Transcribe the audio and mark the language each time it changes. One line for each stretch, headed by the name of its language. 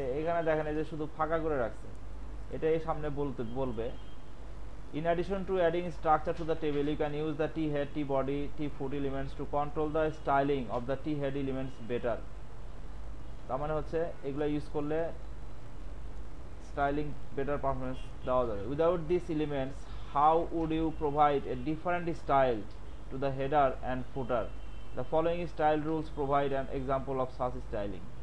Bangla: এখানে দেখেন এই যে শুধু ফাঁকা করে রাখছে, এটা এই সামনে বলতে বলবে
English: In addition to adding structure to the table, you can use the T head, T body, T foot elements to control the styling of the T head elements better.
Bangla: তাহলে হচ্ছে এগুলা ইউজ করলে স্টাইলিং বেটার পারফরম্যান্স দেওয়া যাবে।
English: Without this elements how would you provide a different style to the header and footer. The following style rules provide an example of such styling.